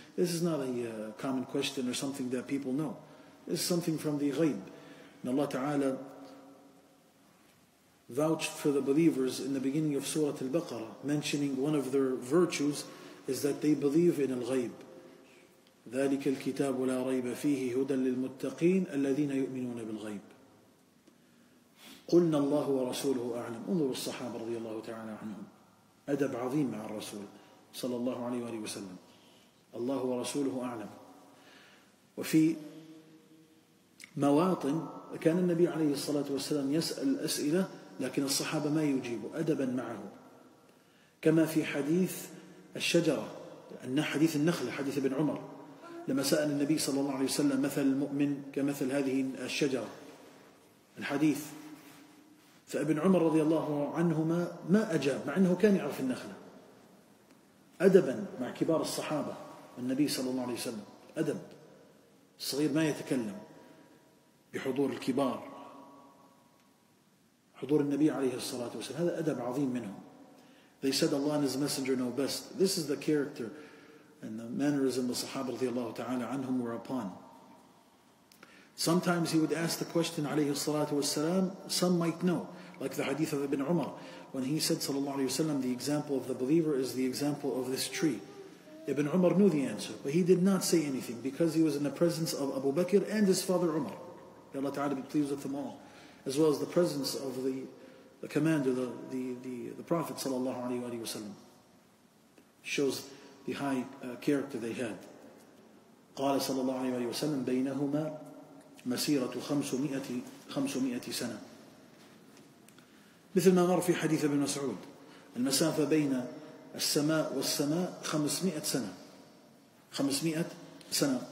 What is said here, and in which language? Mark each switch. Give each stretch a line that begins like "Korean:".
English: This is not a common question or something that people know. This is something from the ghaib. And Allah Ta'ala vouched for the believers in the beginning of Surah Al-Baqarah, mentioning one of their virtues is that they believe in al-ghaib.
Arabic: ذلك الكتاب لا ريب فيه هدى للمتقين الذين يؤمنون بالغيب قلنا الله ورسوله أعلم. انظر الصحابة رضي الله تعالى عنهم أدب عظيم مع الرسول صلى الله عليه وآله وسلم. الله ورسوله أعلم. وفي مواطن كان النبي عليه الصلاة والسلام يسأل أسئلة لكن الصحابة ما يجيبوا أدبا معه، كما في حديث الشجرة، حديث النخلة، حديث ابن عمر لما سأل النبي صلى الله عليه وسلم مثل المؤمن كمثل هذه الشجرة، الحديث، فابن عمر رضي الله عنهما ما أجاب مع أنه كان يعرف النخلة، أدبا مع كبار الصحابة والنبي صلى الله عليه وسلم، أدب. الصغير ما يتكلم بحضور الكبار، حضور النبي عليه الصلاة والسلام، هذا أدب عظيم منهم.
English: They said Allah and His Messenger know best. This is the character and the mannerism the Sahaba
Arabic: رضي الله تعالى عنهم
English: were upon. Sometimes he would ask the question
Arabic: عليه الصلاة والسلام,
English: some might know. Like the hadith of Ibn Umar, when he said
Arabic: صلى الله عليه وسلم,
English: the example of the believer is the example of this tree. Ibn Umar knew the answer, but he did not say anything because he was in the presence of Abu Bakr and his father Umar. May Allah Ta'ala be pleased with them all. As well as the presence of the commander, the Prophet
Arabic: صلى الله عليه وسلم.
English: Shows the high character they had.
Arabic: قال صلى الله عليه وسلم بينهما مسيرة خمسمائة سنة. مثل ما مر في حديث ابن مسعود، المسافة بين السماء والسماء 500 سنة، 500 سنة.